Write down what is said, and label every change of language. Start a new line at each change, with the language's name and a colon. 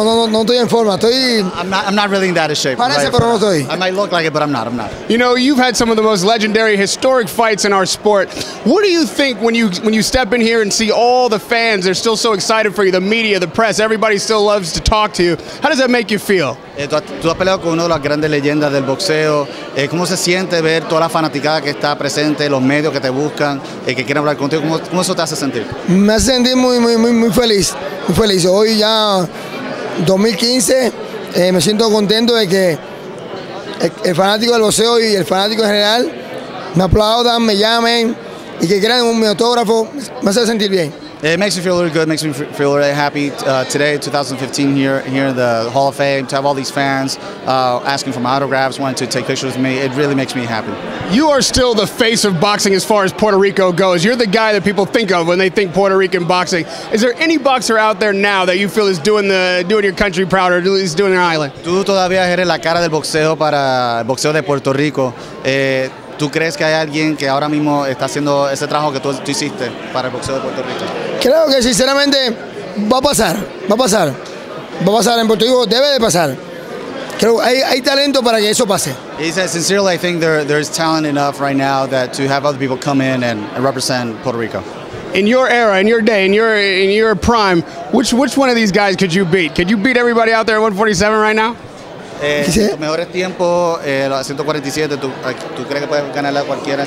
English: I'm not really in that shape. I might look like it, but I'm not. You know, you've had some of the most legendary, historic fights in our sport. What do you think when you step in here and see all the fans? They're still so excited for you. The media, the press, everybody still loves to talk to you. How does that make you feel?
Spanish: Tú has peleado con una de las grandes leyendas del boxeo. ¿Cómo se siente ver toda la fanaticada que está presente, los medios que te buscan, que quieren hablar contigo? ¿Cómo eso te hace sentir? Me hace sentir muy, muy, muy, muy feliz. Muy feliz. Hoy ya 2015, me siento contento de que el fanático del boxeo y el fanático en general me aplaudan, me llamen y que quieran un autógrafo. Me hace sentir bien.
English: It makes me feel really good, makes me feel really happy today, 2015, here in the Hall of Fame, to have all these fans asking for my autographs, wanting to take pictures with me. It really makes me happy. You are still the face of boxing as far as Puerto Rico goes. You're the guy that people think of when they think Puerto Rican boxing. Is there any boxer out there now that you feel is doing your country proud or is doing your island?
Spanish: Tú todavía eres la cara del boxeo para el boxeo de Puerto Rico. ¿Tú crees que hay alguien que ahora mismo está haciendo ese trabajo que tú hiciste para el boxeo de Puerto Rico? Creo que sinceramente va a pasar, va a pasar. Va a pasar en Puerto Rico, debe de pasar. Creo que hay talento para que eso pase.
English: He said, sincerely, I think there's talent enough right now that to have other people come in and represent Puerto Rico. In your era, in your day, in your prime, which one of these guys could you beat? Could you beat everybody out there at 147 right now?
Spanish: Mejores tiempos, los 147, ¿tú crees que puedes ganarle a cualquiera?